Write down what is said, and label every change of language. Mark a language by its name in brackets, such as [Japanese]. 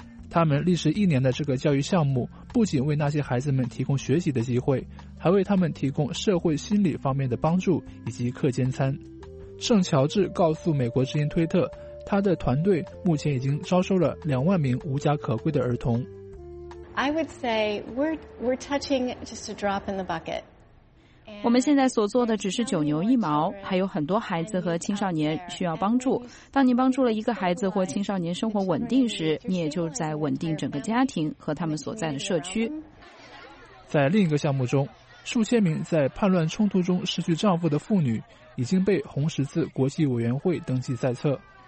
[Chinese] 他们历时1年的这个教育项目，不仅为那些孩子们提供学习的机会，还为他们提供社会心理方面的帮助以及课间餐。圣乔治告诉美国之音推特，他的团队目前已经招收了20000名无家可归的儿童。 [English] I would say we're touching just a drop in the bucket. [Chinese] 我们现在所做的只是九牛一毛，还有很多孩子和青少年需要帮助。当你帮助了一个孩子或青少年生活稳定时，你也就在稳定整个家庭和他们所在的社区。在另一个项目中，数千名在叛乱冲突中失去丈夫的妇女已经被红十字国际委员会登记在册。